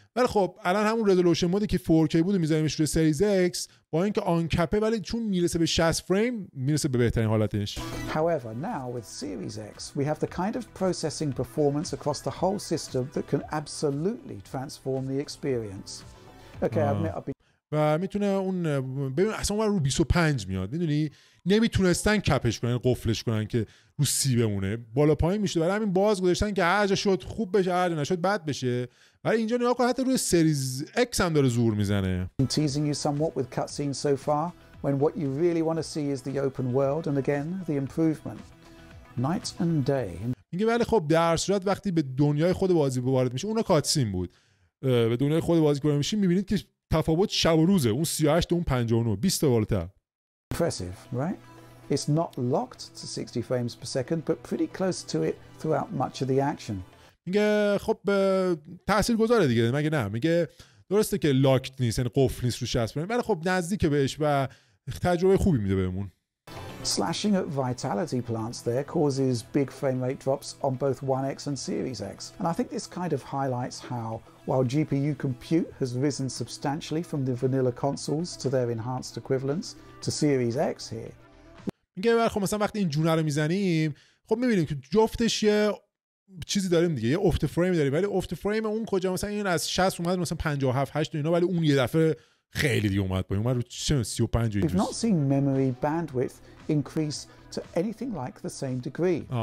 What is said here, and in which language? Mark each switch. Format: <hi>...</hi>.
<fa>ولی خب الان همون رزولوشن مودی که 4K بود میذاریمش روی سریز ایکس با اینکه آن کپه، ولی چون میرسه به 60 فریم میرسه به بهترین حالتش.</fa> <en>However, now with Series X, we have the kind of processing performance across the whole system that can absolutely transform the experience.</en> <fa>Okay, و میتونه اون ببین اصلا اون رو 25 میاد، میدونی نمیتونستن کپش کنن، قفلش کنن که رو 30 بمونه، بالا پایین میشه، برای همین باز گذاشتن که هر جا شد خوب بشه، هر جا نشد بد بشه. ولی اینجا نگاه کن حتی روی سریز ایکس هم داره زور میزنه.</fa> <en>Teasing you somewhat with cutscenes so far when what you really want to see is the open world and again the improvement night and day.</en> <fa>میگه ولی خب در صورت وقتی به دنیای خود بازی وارد میشه، اون کاتسین بود، به دنیای خود بازی که میشین میبینید که تفاوت شب و روزه، اون 38 اون 59 20 بالاتر.</fa> <en>Impressive, right? It's not locked to 60 frames per second but pretty close to it throughout much of the action.</en> <fa>میگه خب تاثیرگذاره دیگه، مگه نه؟ میگه درسته که لاکت نیست، یعنی قفل نیست رو 60 فریم، ولی خب نزدیک بهش و تجربه خوبی میده بهمون.</fa> <en>Slashing at vitality plants there causes big frame rate drops on both One X and Series X. And I think this kind of highlights how, while GPU compute has risen substantially from the vanilla consoles to their enhanced equivalents to Series X here.</en> <fa>میگه ولی خب مثلا وقتی این جونه رو میزنیم خب میبینیم که جفتش یه چیزی داریم دیگه، یه افت فریم داریم، ولی افت فریم اون کجا؟ مثلا این از 60 اومد مثلا 57 8 اینا، ولی اون یه دفعه خیلی دیگه اومد پایین، اومد رو 35 اینجوری.</fa> <en>We've not seen memory bandwidth increase to anything like the same degree.</en>